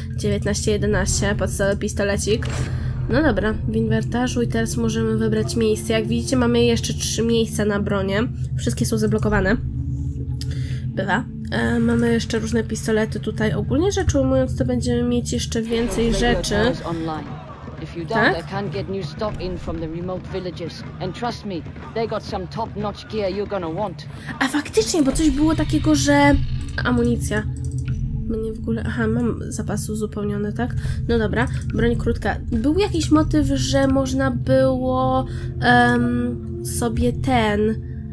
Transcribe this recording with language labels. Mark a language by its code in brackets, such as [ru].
[pl] 19-11, podstawowy pistolecik. No dobra, w inwentarzu i teraz możemy wybrać miejsce. Jak widzicie, mamy jeszcze 3 miejsca na bronie. Wszystkie są zablokowane. Bywa. Mamy jeszcze różne pistolety tutaj. Ogólnie rzecz ujmując, to będziemy mieć jeszcze więcej rzeczy. [en] If you doubt, I can get new stock in from the remote villages. And trust me, they got some top-notch gear you're gonna want. [pl] A faktycznie, bo coś było takiego, że... Amunicja. Mnie w ogóle... Aha, mam zapasy uzupełnione, tak? No dobra, broń krótka. Był jakiś motyw, że można było sobie ten...